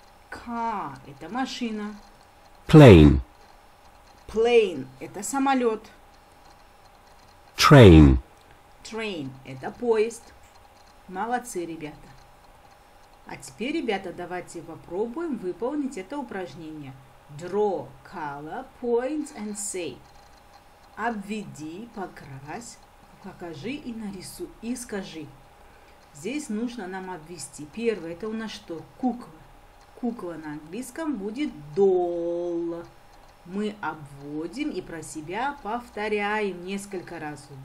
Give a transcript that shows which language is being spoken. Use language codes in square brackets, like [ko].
[ru] Car. Это машина. [en] Plane. [ru] Plane. Это самолет. [en] Train. [ru] Train. Это поезд. Молодцы, ребята. А теперь, ребята, давайте попробуем выполнить это упражнение. [en] Draw color, point and say. [ru] Обведи, покрась, покажи и нарисуй, и скажи. Здесь нужно нам обвести. Первое, это у нас что? Кукла. Кукла на английском будет doll. Мы обводим и про себя повторяем несколько раз.